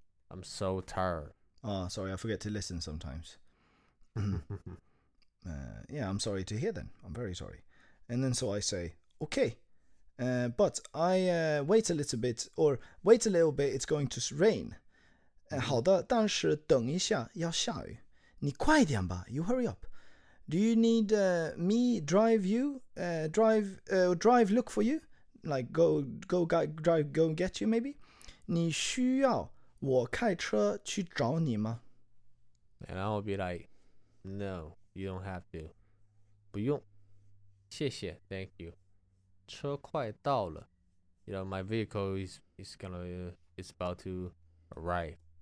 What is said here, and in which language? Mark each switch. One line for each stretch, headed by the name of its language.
English: I'm so tired. Oh, sorry, I forget to listen sometimes. yeah, I'm sorry to hear then. I'm very sorry. And then so I say, okay. But I wait a little bit, or wait a little bit, it's going to rain.
Chinese: 好的,但是等一下,要下雨. 你快点吧,
English: you hurry up. Do you need me drive you, drive look for you? Like go get you maybe?
Chinese: 你需要我开车去找你吗?
English: And I'll be like, no, you don't have to.
Chinese: 不用, 谢谢,
English: thank you.
Chinese: 车快到了,
English: you know, my vehicle is about to arrive.